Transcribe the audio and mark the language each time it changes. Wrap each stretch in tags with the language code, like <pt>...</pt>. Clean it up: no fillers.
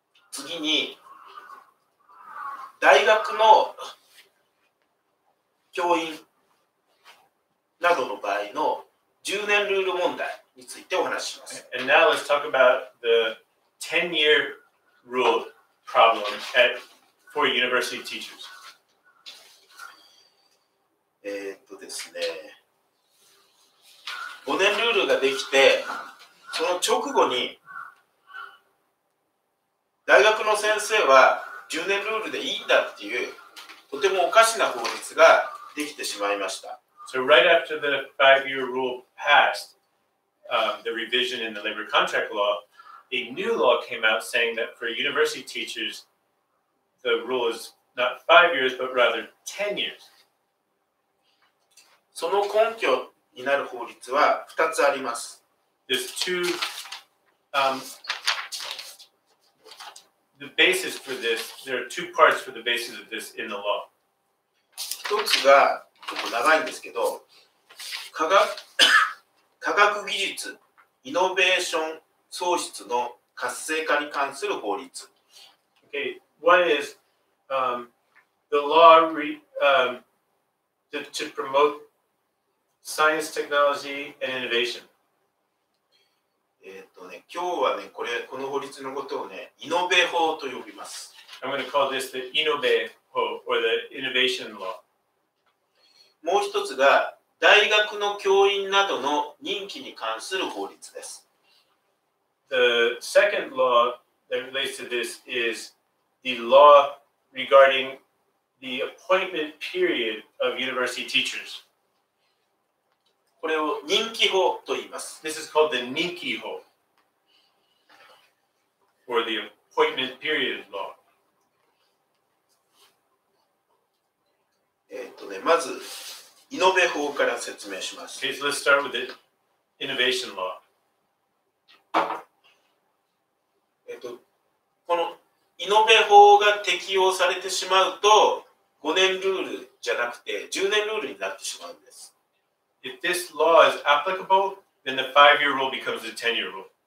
<ja>次に、大学の教員などの場合の10年ルール問題についてお話します。</ja> <en>And now let's talk about the 10-year rule problem at, for university teachers.</en> <ja>ですね、5年ルールができて、その直後に大学の先生は10年ルールでいいんだっていうとてもおかしな法律ができてしまいました。</ja> <en>So right after the five-year rule passed, the revision in the labor contract law, a new law came out saying that for university teachers, the rule is not 5 years, but rather 10 years.</en> <ja>その根拠になる法律は2つあります。</ja> <en>There's two, the basis for this, there are two parts for the basis of this in the law.</en> <ja>一つが、ちょっと長いんですけど、科学技術、イノベーション創出の活性化に関する法律。</ja> <en>Okay, one is, the law to promoteScience, technology, and innovation.</en> <ja>今日はね、これ、この法律のことをね、イノベ法と呼びます。</ja> <en>I'm going to call this the Inobe 法 or the Innovation Law.</en> <ja>もう一つが、大学の教員などの任期に関する法律です。</ja> <en>The second law that relates to this is the law regarding the appointment period of university teachers.</en> <ja>これを任期法と言います。</ja> <en>This is called the 任期法 or the appointment period law.</en> <ja>まず、イノベ法から説明します。</ja> <en>Okay, so let's start with the innovation law.</en> <ja>このイノベ法が適用されてしまうと、5年ルールじゃなくて10年ルールになってしまうんです。</ja> <en>If this law is applicable, then the five-year rule becomes the 10-year rule.</en>